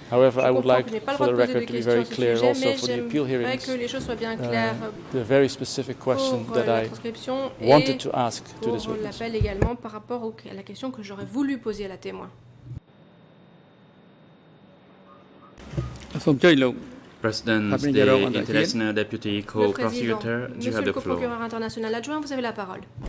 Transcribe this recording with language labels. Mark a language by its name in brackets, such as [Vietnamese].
[English] however, I would like for the record to be very clear also for the appeal hearings the very specific question that I wanted to ask to this witness. [French] Par rapport à la question que j'aurais voulu poser à la témoin. [English] President, the international deputy co-prosecutor, you have the floor. [French] Monsieur le procureur international adjoint, vous avez la parole.